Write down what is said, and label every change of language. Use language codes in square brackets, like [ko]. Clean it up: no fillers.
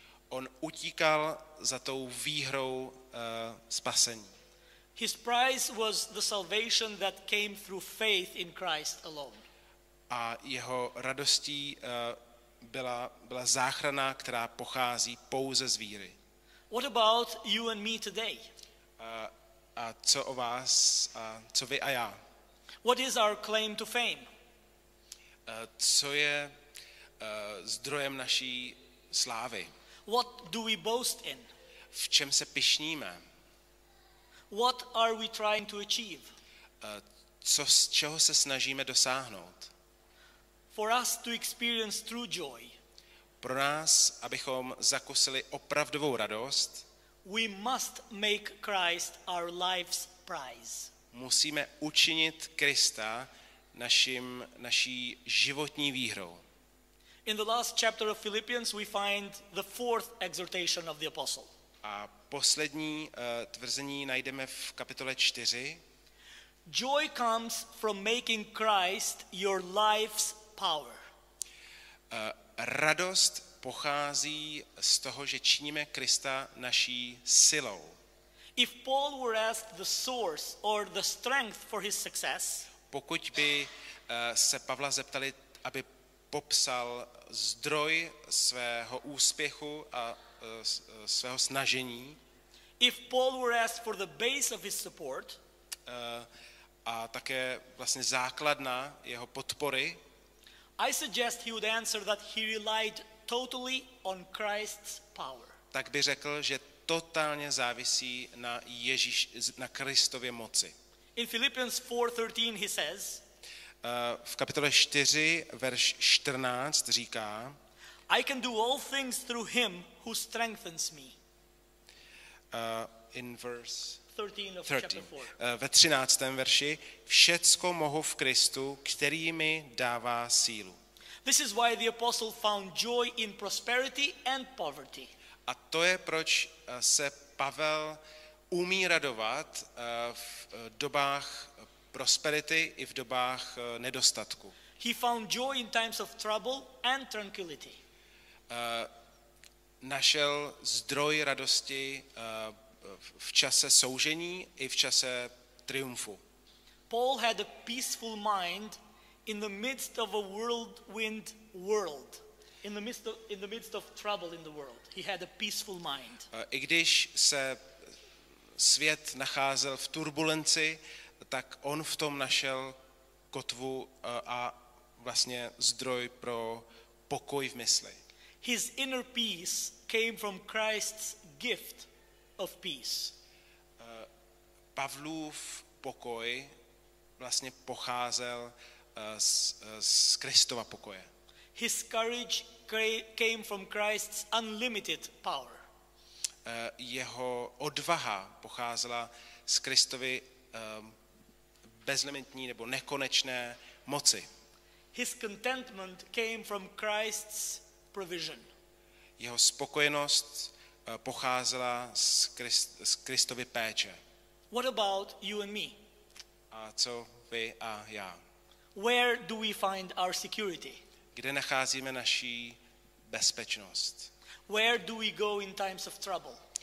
[cs] On utíkal za tou výhrou spasení. [en] His prize was the salvation that came through faith in Christ alone. [cs] A jeho radostí byla záchrana, která pochází pouze z víry. [en] What about you and me today? [cs] A co o vás, co vy a já? [en] What is our claim to fame? [cs] Co je zdrojem naší slávy? [en] What do we boast in? [cs] V čem se pyšníme? [en] What are we trying to achieve? [cs] Co z čeho se snažíme dosáhnout? [en] For us to experience true joy. [cs] Pro nás, abychom zakusili opravdovou radost. [en] We must make Christ our life's prize. [cs] Musíme učinit Krista naší životní výhrou. [en] In the last chapter of Philippians we find the fourth exhortation of the apostle. [cs] A poslední tvrzení najdeme v kapitole 4. [en] Joy comes from making Christ your life's power. [cs] Radost pochází z toho, že činíme Krista naší silou. [en] If Paul were asked the source or the strength for his success, [cs] pokud by se Pavla zeptali, aby popsal zdroj svého úspěchu a svého snažení. [en] If Paul were asked for the base of his support, [cs] a také vlastně základna jeho podpory. [en] I suggest he would answer that he relied totally on Christ's power. [cs] Tak by řekl, že totálně závisí na Ježíš, na Kristově moci. [en] In Philippians 4:13 he says, [cs] v kapitole 4 verš 14 říká, [en] I can do all things through him who strengthens me. In verse 13 of 13. Chapter 4. [cs] Ve 13. verši všecko mohu v Kristu, který mi dává sílu. [en] This is why the apostle found joy in prosperity and poverty. [cs] A to je proč se Pavel umí radovat v dobách prosperity i v dobách nedostatku. [en] He found joy in times of trouble and tranquility. [cs] Našel zdroj radosti v čase soužení i v čase triumfu. [en] Paul had a peaceful mind in the midst of a whirlwind world. In the midst of trouble in the world. He had a peaceful mind. [cs] I když se svět nacházel v turbulenci, tak on v tom našel kotvu a vlastně zdroj pro pokoj v mysli. [en] His inner peace came from Christ's gift of peace. [cs] Pavlův pokoj vlastně pocházel z Kristova pokoje. [en] His courage came from Christ's unlimited power. [cs] Jeho odvaha pocházela z Kristovy bezlimitní nebo nekonečné moci. [en] His contentment came from Christ's provision. [cs] Jeho spokojenost pocházela z Kristovy péče. [en] What about you and me? [cs] A co vy a já? [en] Where do we find our security? [cs] Kde nacházíme naši bezpečnost? [en] Where do we go in times of trouble?